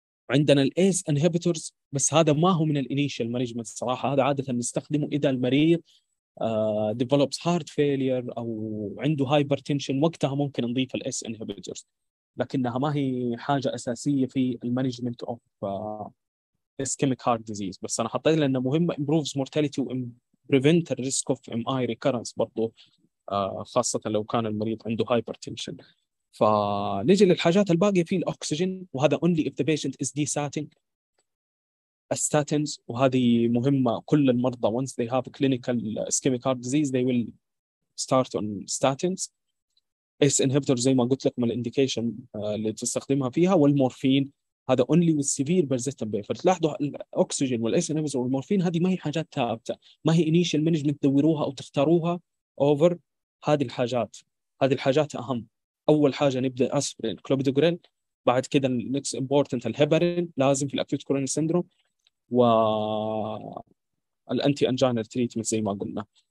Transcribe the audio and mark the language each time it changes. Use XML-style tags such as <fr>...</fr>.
<ar>عندنا الايس انهيبيتورز، بس هذا ما هو من الانيشال مانجمنت صراحه، هذا عاده نستخدمه اذا المريض ديفلوبس هارت فيلير او عنده هايبرتنشن، وقتها ممكن نضيف الايس انهيبيتورز، لكنها ما هي حاجه اساسيه في المانجمنت اوف اسكيميك هارت ديزيز، بس انا حطيت لانها مهمه.</ar> <en>improves mortality وبريفنت الريسك of M I recurrence</en> <ar>برضه، خاصة لو كان المريض عنده</ar> <en>hypertension.</en> <ar>فنجي للحاجات الباقية في الأكسجين، وهذا</ar> <en>only if the patient is desating. statins،</en> <ar>وهذه مهمة، كل المرضى</ar> <en>once they have clinical ischemic heart disease they will start on statins.</en> <ar>ACE inhibitor زي ما قلت لكم الindication اللي تستخدمها فيها، والمورفين هذا</ar> <en>only with severe persistent pain.</en> <ar>فتلاحظوا الأكسجين والACE inhibitor والمورفين هذه ما هي حاجات ثابتة، ما هي initial management تدوروها أو تختاروها over هذه الحاجات. هذه الحاجات أهم، أول حاجة نبدأ أسبرين كلوبيدوغريل، بعد كده next important الهيبارين لازم في الأكيوت كوروني سيندروم، والأنتي أنجينال تريتمنت زي ما قلنا.</ar>